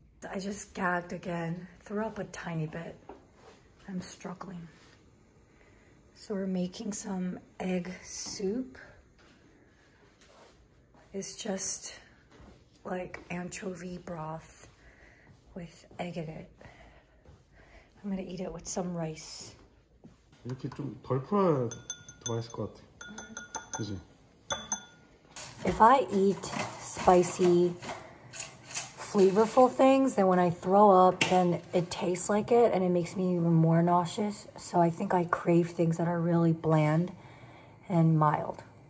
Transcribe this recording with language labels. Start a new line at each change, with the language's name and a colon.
English: I just gagged again. Threw up a tiny bit. I'm struggling. So we're making some egg soup. It's just like anchovy broth with egg in it. I'm gonna eat it with some rice.
Korean: 이렇게 좀 덜 풀어야 더 맛있을 것 같아. 그치?
English: If I eat spicy, flavorful things, then when I throw up, then it tastes like it and it makes me even more nauseous. So I think I crave things that are really bland and mild.